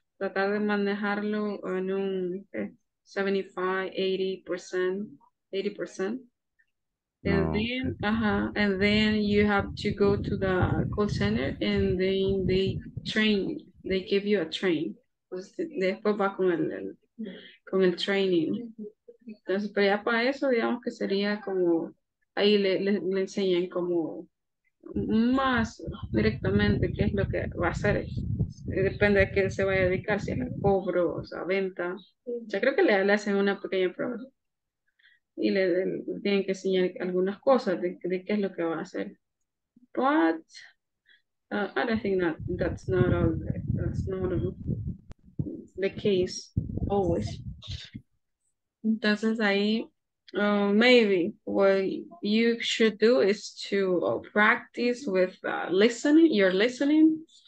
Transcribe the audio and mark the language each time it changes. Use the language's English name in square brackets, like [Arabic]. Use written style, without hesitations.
[Spanish] Tratar de manejarlo en un 75-80%. [English] And then you have to go to the call center and then they give you a train. [Spanish] Pues después va con el training. Entonces, pero ya para eso, digamos que sería como, ahí le enseñan como más directamente qué es lo que va a hacer. Depende de qué se vaya a dedicar, si es a cobro, o sea, a venta. Ya creo que le hacen una pequeña prueba. Y le tienen que enseñar algunas cosas de qué es lo que va a hacer. [English] But I don't think that's not the case always. [Spanish] Entonces ahí [English] maybe what you should do is to practice with your listening.